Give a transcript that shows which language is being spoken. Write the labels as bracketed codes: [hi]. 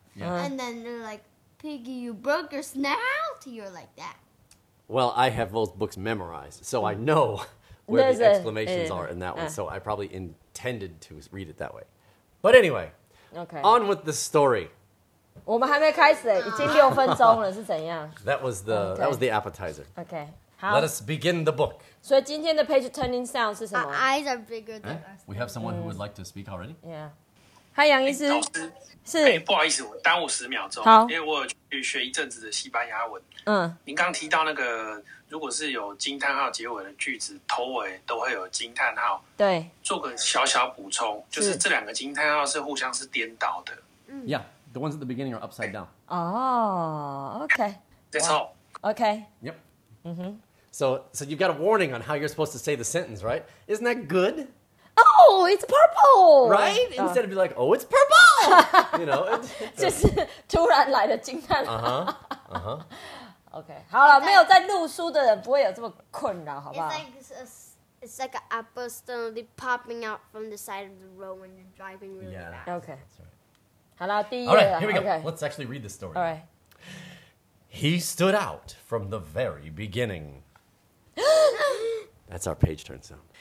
[en] Yeah. And then they're like, Piggy, you broke your snout? You're like that. Well, I have both books memorized, so I know where the exclamations are in that one. So I probably intended to read it that way. But anyway, on with the story. [zh] 我们还没开始，已经六分钟了，是怎样 [en] ？That was the appetizer. Okay, let us begin the book. [zh] 所以今天的 [en] page turning sound [zh] 是什么 [en] ？Eyes are bigger than us. We have someone who would like to speak already. Yeah, hi 杨医师， [zh] 是，不好意思，我耽误十秒钟，好，因为我有去学一阵子的西班牙文。嗯，您刚提到那个，如果是有惊叹号结尾的句子，头尾都会有惊叹号。对，做个小小补充，就是这两个惊叹号是互相是颠倒的。嗯 [en] ，Yeah。 The ones at the beginning are upside down. Oh, okay. That's all. Okay. Yep. Mm-hmm. So you've got a warning on how you're supposed to say the sentence, right? Isn't that good? Oh, it's purple! Right? Instead of being like, oh, it's purple! You know? Just [zh] 突然来的惊叹。 [en] Uh-huh. Uh-huh. Okay. [zh] 好了，没有在录书的人不会有这么困扰，好不好？ [en] It's like an apple suddenly popping out from the side of the road when you're driving really fast. Yeah, okay. That's right. [zh] 好了，第一页 [en] 了。All right, here we go. Okay. Let's actually read the story. All right. He stood out from the very beginning. That's our page turn sound.